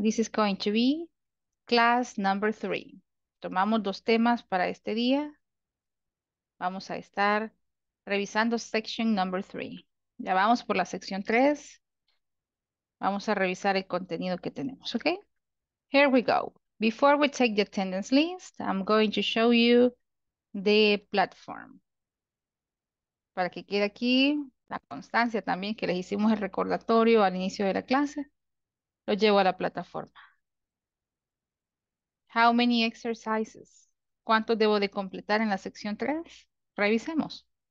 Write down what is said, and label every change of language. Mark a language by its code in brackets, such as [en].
[en] This is going to be class number 3. [es] Tomamos dos temas para este día. Vamos a estar Revisando [en] section number 3. [es] Ya vamos por la sección 3. Vamos a revisar el contenido que tenemos, ¿ok? [en] Here we go. Before we take the attendance list, I'm going to show you the platform. [es] Para que quede aquí la constancia también, que les hicimos el recordatorio al inicio de la clase, lo llevo a la plataforma. [en] How many exercises? [es] ¿Cuántos debo de completar en la sección 3? Revisemos.